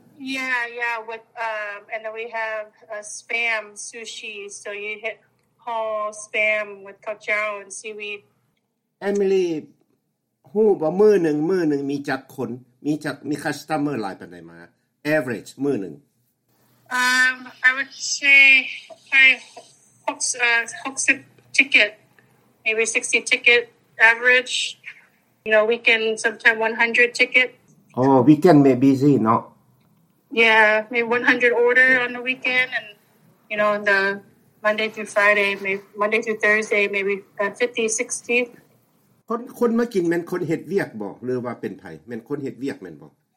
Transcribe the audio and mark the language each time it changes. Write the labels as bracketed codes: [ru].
[en] Yeah with and then we have a spam sushi so you hit whole spam with kochao and seaweed. [tts] Emily ฮู้บ่มื้อนึงมื้อนึงมีจักคนมีคัสโตเมอร์หลายปานใดมาAverage, มือหนึ่ง [en] I would say 60 ticket, maybe 60 ticket average. You know, weekend sometime 100 ticket. Oh, weekend may busy, no? Yeah, maybe 100 order on the weekend and, you know, on the Monday through Thursday, maybe 50, 60. [tts] คนมากินแม่นคนเฮ็ดเวียกบ่หรือว่าเป็นไผแม่นคนเฮ็ดเวียกแม่นบ่